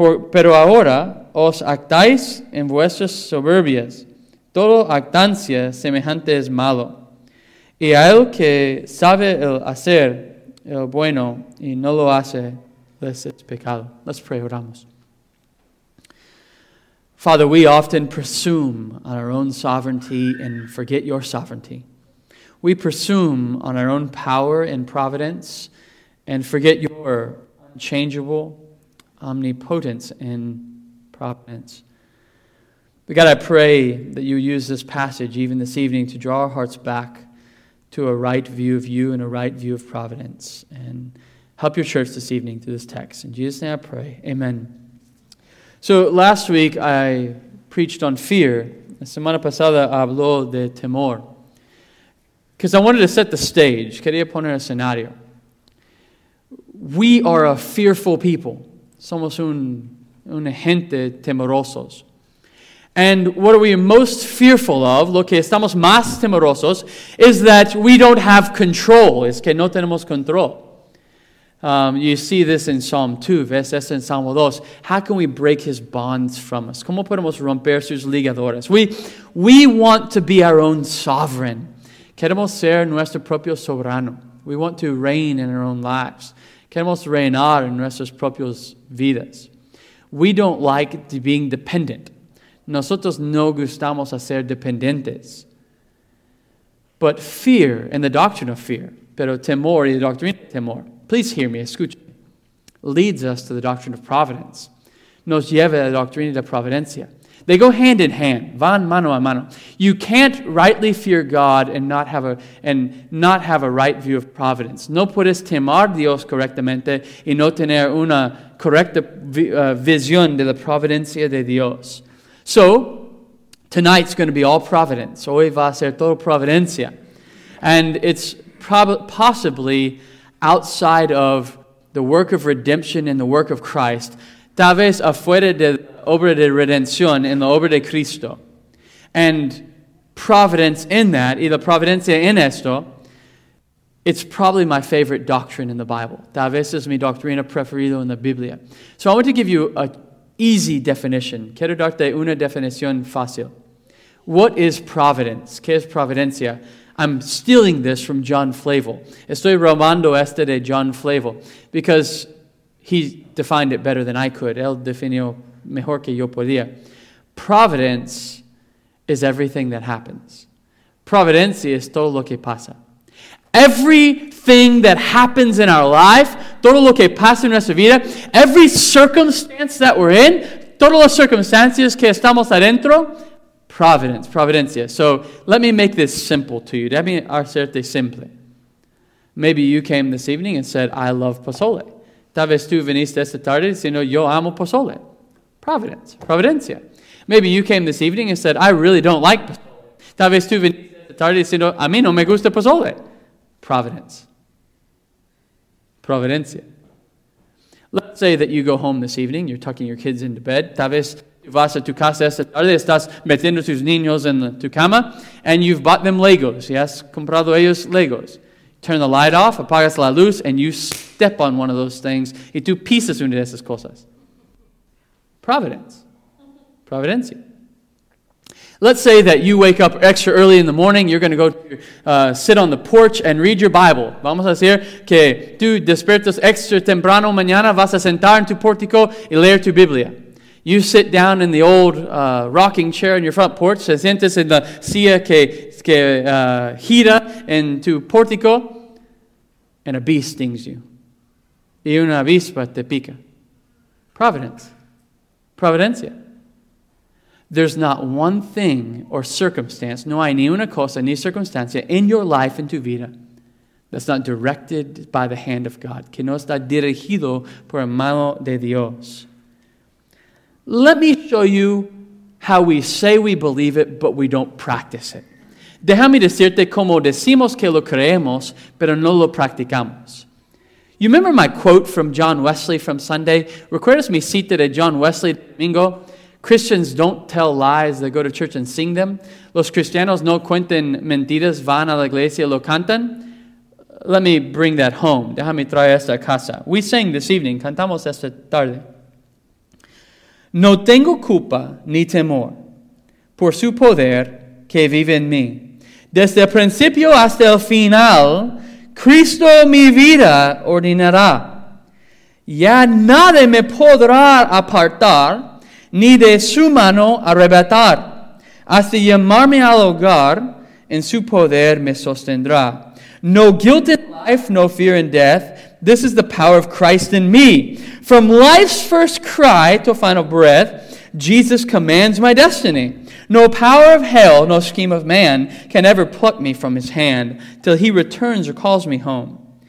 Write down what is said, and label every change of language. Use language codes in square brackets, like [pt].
[es] Pero ahora os actáis en vuestras soberbias. Toda actancia semejante es malo. Y a el que sabe el hacer el bueno y no lo hace, es pecado. [en] Let's pray, [es] oramos. [en] Father, we often presume on our own sovereignty and forget your sovereignty. We presume on our own power and providence and forget your unchangeable omnipotence and providence. But God, I pray that you use this passage even this evening to draw our hearts back to a right view of you and a right view of providence. And help your church this evening through this text. In Jesus' name I pray, amen. So last week I preached on fear. [es] La semana pasada habló de temor. [en] Because I wanted to set the stage. [es] Quería poner el escenario. [en] We are a fearful people. [es] Somos una gente temerosos. [en] And what are we most fearful of, [es] lo que estamos más temerosos, [en] is that we don't have control. [es] Es que no tenemos control. [en] You see this in Psalm 2, [es] ves esto en Salmo 2. [en] How can we break his bonds from us? [es] ¿Cómo podemos romper sus ligaduras? [en] We want to be our own sovereign. [es] Queremos ser nuestro propio soberano. [en] We want to reign in our own lives. [es] Queremos reinar en nuestras propias vidas. [en] We don't like being dependent. [es] Nosotros no gustamos a ser dependientes. [en] But fear, and the doctrine of fear, [es] pero temor y la doctrina de temor, [en] please hear me, [es] escucha, [en] leads us to the doctrine of providence. [es] Nos lleva a la doctrina de providencia. [en] They go hand in hand, [es] van mano a mano. [en] You can't rightly fear God and not have a right view of providence. [es] No puedes temer Dios correctamente y no tener una correcta visión de la providencia de Dios. [en] So, tonight's going to be all providence. [es] Hoy va a ser todo providencia. [en] And it's possibly outside of the work of redemption and the work of Christ. [es] Tal vez afuera de obra de redención en la obra de Cristo. [en] And providence in that, [es] y la providencia en esto, [en] it's probably my favorite doctrine in the Bible. [es] Tal vez es mi doctrina preferida en la Biblia. [en] So I want to give you a easy definition. [es] Quiero darte una definición fácil. [en] What is providence? [es] ¿Qué es providencia? [en] I'm stealing this from John Flavel. [es] Estoy robando este de John Flavel [en] because he defined it better than I could. [es] Él definió mejor que yo podía. [en] Providence is everything that happens. [es] Providencia es todo lo que pasa. [en] Everything that happens in our life, [es] todo lo que pasa en nuestra vida, [en] every circumstance that we're in, [es] todas las circunstancias que estamos adentro, [en] providence, [es] providencia. [en] So let me make this simple to you. [es] Déjame hacerte simple. [en] Maybe you came this evening and said, I love pozole. [es] Tal vez tú viniste esta tarde diciendo, yo amo pozole. [en] Providence. [es] Providencia. [en] Maybe you came this evening and said, I really don't like pozole. [es] Tal vez tú viniste esta tarde diciendo, a mí no me gusta pozole. [en] Providence. [es] Providencia. [en] Let's say that you go home this evening, you're tucking your kids into bed. [es] Tal vez tú vas a tu casa esta tarde, estás metiendo tus niños en tu cama, [en] and you've bought them Legos. Yes, [es] comprado ellos Legos. [en] Turn the light off, [es] apagas la luz, [en] and you step on one of those things. [es] Y tú pisas una de esas cosas. [en] Providence. [es] Providencia. [en] Let's say that you wake up extra early in the morning. You're going to go sit on the porch and read your Bible. [es] Vamos a decir que tú despiertas extra temprano mañana. Vas a sentar en tu pórtico y leer tu Biblia. [en] You sit down in the old rocking chair in your front porch. [es] Te sientes en la silla que gira en tu pórtico. [en] And a bee stings you. [es] Y una avispa te pica. [en] Providence. [es] Providencia. [en] There's not one thing or circumstance, [es] no hay ni una cosa ni circunstancia [en] in your life, in [es] tu vida, [en] that's not directed by the hand of God, [es] que no está dirigido por la mano de Dios. [en] Let me show you how we say we believe it, but we don't practice it. [es] Déjame decirte cómo decimos que lo creemos, pero no lo practicamos. [en] You remember my quote from John Wesley from Sunday? [es] ¿Recuerdas mi cita de John Wesley domingo? [en] Christians don't tell lies, they go to church and sing them. [es] Los cristianos no cuentan mentiras, van a la iglesia y lo cantan. [en] Let me bring that home. [es] Déjame traer esta a casa. [en] We sang this evening, [es] cantamos esta tarde. No tengo culpa ni temor por su poder que vive en mí. Desde el principio hasta el final, Cristo mi vida ordenará. Ya nadie me podrá apartar ni de su mano arrebatar, hasta llamarme al hogar, en su poder me sostendrá. [en] No guilt in life, no fear in death, this is the power of Christ in me. From life's first cry to final breath, Jesus commands my destiny. No power of hell, no scheme of man, can ever pluck me from his hand, till he returns or calls me home.